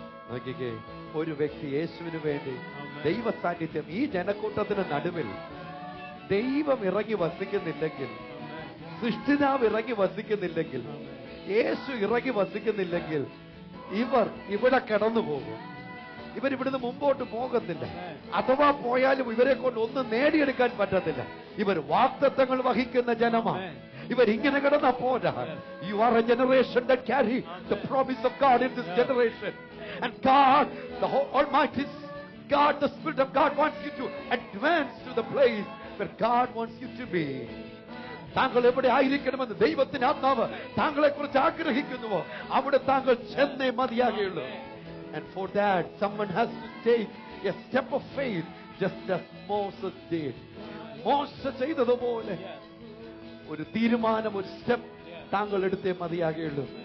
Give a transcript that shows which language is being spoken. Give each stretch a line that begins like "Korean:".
Malayalam: നോക്കിക്കേ, ഒരു വ്യക്തി യേശുവിന് വേണ്ടി ദൈവ സാന്നിധ്യം ഈ ജനക്കൂട്ടത്തിന് നടുവിൽ ദൈവം ഇറങ്ങി വസിക്കുന്നില്ലെങ്കിൽ, സൃഷ്ടിതാവ് ഇറങ്ങി വസിക്കുന്നില്ലെങ്കിൽ, യേശു ഇറങ്ങി വസിക്കുന്നില്ലെങ്കിൽ ഇവർ ഇവിടെ കിടന്നു പോകും. ഇവർ ഇവിടുന്ന് മുമ്പോട്ട് പോകത്തില്ല. അഥവാ പോയാലും ഇവരെ കൊണ്ട് ഒന്നും നേടിയെടുക്കാൻ പറ്റത്തില്ല. ഇവർ വാക്തത്വങ്ങൾ വഹിക്കുന്ന ജനമാണ്. ഇവരിങ്ങനെ കിടന്നാ പോരാ.
English: You are a generation that carry the promise of God in this generation. And God, the Almighty God, the Spirit of God wants you to advance to the place where God wants you to be.
Malayalam: താങ്കൾ എവിടെ ആയിരിക്കണമെന്ന് ദൈവത്തിന് ആത്മാവ് താങ്കളെ കുറിച്ച് ആഗ്രഹിക്കുന്നുവോ അവിടെ താങ്കൾ ചെന്നേ മതിയാകുള്ളൂ.
English: And for that, someone has to take a step of faith, just as Moses did.
Malayalam: Moses ചെയ്തതുപോലെ ഒരു തീരുമാനം, ഒരു സ്റ്റെപ്പ് താങ്കൾ എടുത്തേ മതിയാകുള്ളൂ.